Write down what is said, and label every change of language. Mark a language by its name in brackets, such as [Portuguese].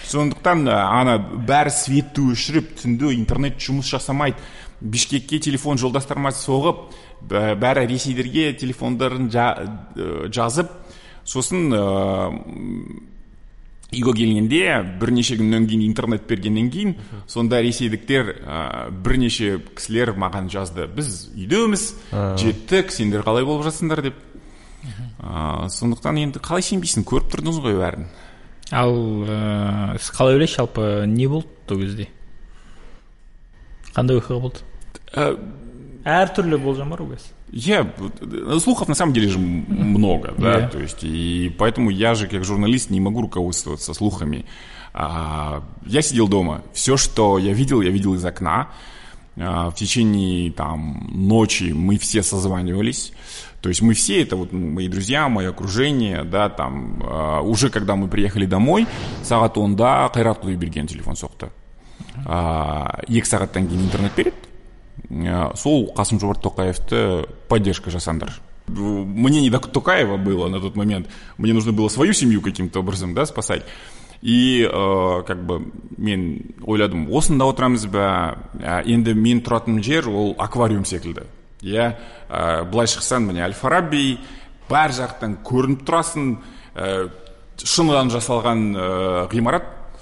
[Kazakh] Сондықтан ана бәрі светті өшіріп түнде интернет жұмыс жасамайды, Бішкекке телефон жолдастарыма соғып бәрі ресейлерге телефондарын жазып, сосын үйге келгенде бірнеше күннен кейін интернет бергеннен кейін сонда ресейліктер бірнеше кісілер маған жазды, біз үйдеміз, жеттік, сендер қалай болып жатсыңдар деп. Сондықтан енді қалай сенбейсің, көріп тұрдыңыз ғой бәрін. Ал сіз қалай ойлайсыз, жалпы не болды ол кезде, қандай оқиға болды? Әртүрлі болжам бар ғой қазір. [Russian] Слухов на самом деле же много, да, то есть, и поэтому я же как журналист не могу руководствоваться слухами. Я сидел дома, все, что я видел из окна. В течение там ночи мы все созванивались, то есть мы все, это вот мои друзья, мое окружение, да, там, уже когда мы приехали домой, [Kazakh] сағат онда Қайрат Құдайберген телефон соқты. Екі сағаттан кейін интернет береді. Сол Қасым-Жомарт Тоқаевты поддержка жасандыр. [Russian] Мне не до Тоқаева было на тот момент. Мне нужно было свою семью каким-то образом, да, спасать. И как бы [Kazakh] мен ойладым, осында отырамыз ба? Енді мен тұратын жер ол аквариум секілді. Иә, былай шықсан, міне Әл-Фараби, бар жақтан көрініп тұрасың, шыныдан жасалған ғимарат.